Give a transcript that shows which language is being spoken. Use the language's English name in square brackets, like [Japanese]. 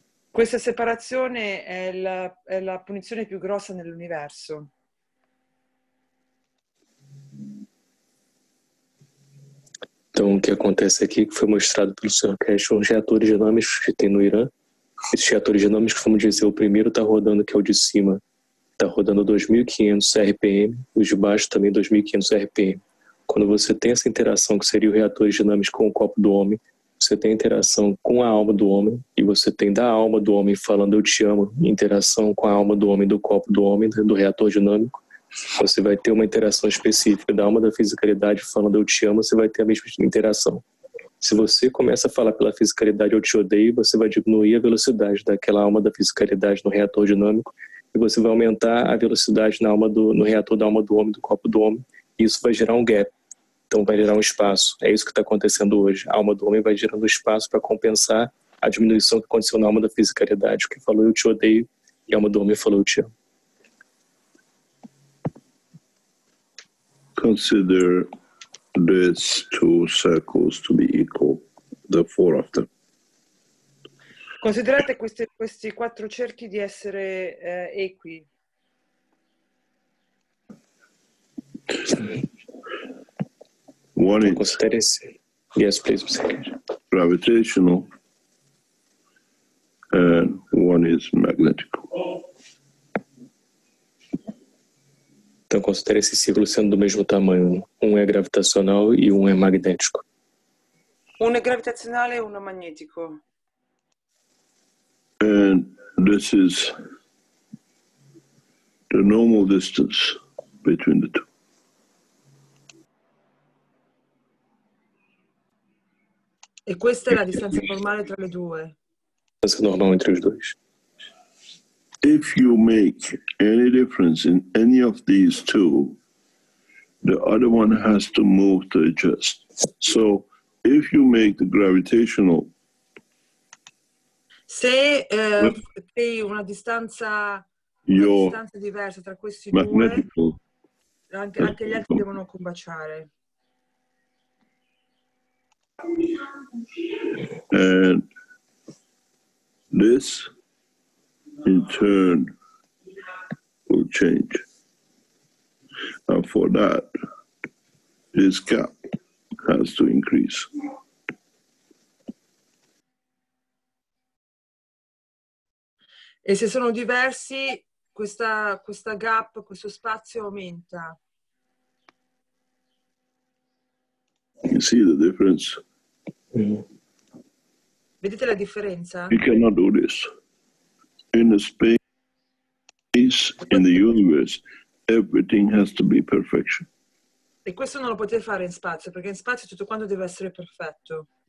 [Italian] Questa separazione è la punizione più grossa nell'universo. [Portuguese] Então, o que acontece aqui, que foi mostrado pelo Sr. Keshe, os reatores dinâmicos que tem no Irã, esses reatores dinâmicos, vamos dizer, o primeiro está rodando, que é o de cima, está rodando 2.500 RPM, os de baixo também 2.500 RPM. Quando você tem essa interação, que seria o reator dinâmico com o corpo do homem, você tem interação com a alma do homem, e você tem da alma do homem falando eu te amo, interação com a alma do homem, do corpo do homem, do reator dinâmico, você vai ter uma interação específica da alma da fisicalidade falando eu te amo, você vai ter a mesma interação. Se você começa a falar pela fisicalidade eu te odeio, você vai diminuir a velocidade daquela alma da fisicalidade no reator dinâmico e você vai aumentar a velocidade na alma no reator da alma do homem, do corpo do homem, e isso vai gerar um gap. Então vai gerar um espaço. É isso que está acontecendo hoje. A alma do homem vai gerando espaço para compensar a diminuição que aconteceu na alma da fisicalidade, que falou eu te odeio e a alma do homem falou eu te amo. [English] Consider these two circles to be equal, the four of them. [Italian] Considerate questi quattro cerchi di essere equi. [English] One is, yes, please. Gravitational, and one is magnetical. [Portuguese] Então, considere esse ciclo sendo do mesmo tamanho. Um é gravitacional e um é magnético. Um é gravitacional e um é magnético. [English] And this is the normal distance between the two. [Italian] E questa è la distanza normale tra le due. Distanza normale tra i due. [English] If you make any difference in any of these two, the other one has to move to adjust. So if you make the gravitational, [Italian] se crei una distanza, una distanza diversa tra questi due, anche gli altri devono combaciare. [English] And this in turn will change. And for that, this gap has to increase. [Italian] E se sono diversi, questa gap, questo spazio aumenta. [English] You see the difference? [Italian] Vedete la differenza? [English] You cannot do this. In the space, in the universe, everything has to be perfection. [Italian] E questo non lo potete fare in spazio, perché in spazio tutto quanto deve essere perfetto.